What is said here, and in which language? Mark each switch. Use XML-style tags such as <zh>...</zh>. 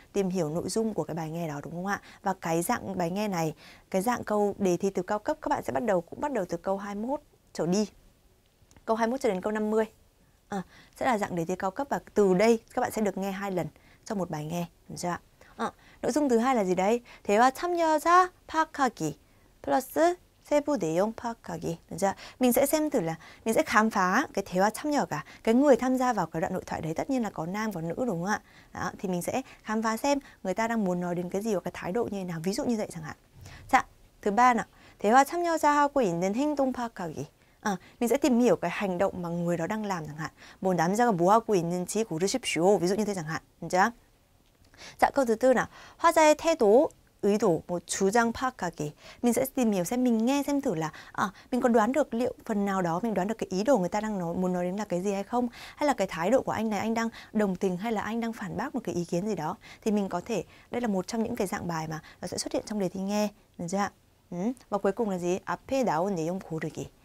<vi>Tìm hiểu nội dung của cái bài nghe đó, đúng không ạ? Và cái dạng bài nghe này, cái dạng câu đề thi từ cao cấp, các bạn sẽ bắt đầu từ câu 21 trở đi. Câu 21 cho đến câu 50. Sẽ là dạng đề thi cao cấp và từ đây các bạn sẽ được nghe hai lần trong một bài nghe, được chưa ạ? Nội dung thứ hai là gì đây?</vi> <ko>대화 참여자 파악하기 플러스 세부 내용 파악하기,</ko> <vi>được chưa? Mình sẽ xem thử là mình sẽ khám phá cái</vi> <ko>대화 참여가,</ko> <vi>cái người tham gia vào cái đoạn nội thoại đấy, tất nhiên là có nam có nữ, đúng không ạ? Đó, thì mình sẽ khám phá xem người ta đang muốn nói đến cái gì và cái thái độ như thế nào, ví dụ như vậy chẳng hạn. Dạ, thứ ba nào,</vi> <ko>대화 참여자 하고 있는 행동 파악하기.</ko> <vi>Mình sẽ tìm hiểu cái hành động mà người đó đang làm chẳng hạn.</vi> <ko>뭐 남자가 뭐 하고 있는지 고르십시오.</ko> <vi>Ví dụ như thế chẳng hạn. Dạ. Dạ, câu thứ tư nào.</vi> <ko>화자의 태도, 의도, 뭐 주장 파악하기.</ko> <vi>Mình sẽ tìm hiểu xem, mình nghe xem thử là mình có đoán được liệu phần nào đó, mình đoán được cái ý đồ người ta đang nói, muốn nói đến là cái gì hay không, hay là cái thái độ của anh này, anh đang đồng tình hay là anh đang phản bác một cái ý kiến gì đó. Thì mình có thể, đây là một trong những cái dạng bài mà nó sẽ xuất hiện trong đề thi nghe. Được chưa? Và cuối cùng là gì?</vi> <ko>앞에 나온 내용 고르기.</ko>